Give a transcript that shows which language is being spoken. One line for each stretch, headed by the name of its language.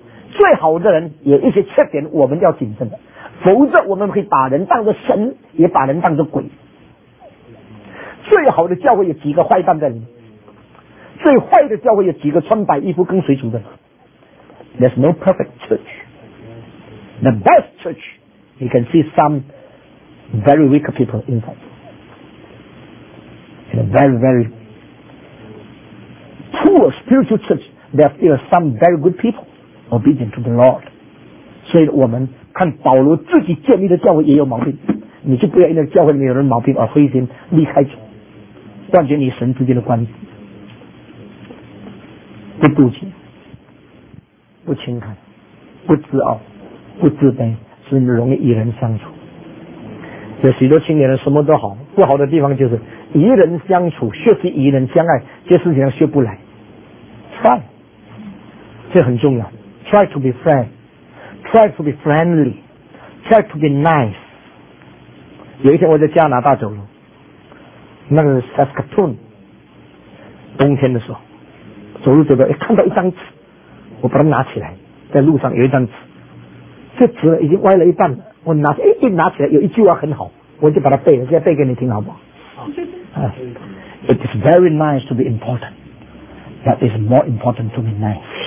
Chinese: 最好的人有一些缺点，我们要谨慎的。否则我们会把人当作神，也把人当作鬼。最好的教会有几个坏蛋的人，最坏的教会有几个穿白衣服跟随主的人。
English: There's no perfect church. The best church, you can see some very weak people inside. In a very, very poor spiritual church, there are still some very good people obedient to the Lord.
Chinese: 所以我们看保罗自己建立的教会也有毛病，你就不要因为教会里面有人毛病而灰心离开，断绝你神之间的关系，不妒忌，不轻看，不自傲，不自卑，所以你容易与人相处。有许多青年人什么都好，不好的地方就是与人相处，学习与人相爱，这事情上学不来。
English: Try，
Chinese: 这很重要。
English: Try to be friend， try to be friendly， try to be nice。
Chinese: 有一天我在加拿大走路，那个 Saskatoon， 冬天的时候，走路走到，看到一张纸，我把它拿起来，在路上有一张纸，这纸已经歪了一半了。我拿起，一拿起来有一句话很好，我就把它背了，现在背给你听好不好？
English: It is very nice to be important, but it's more important to be nice.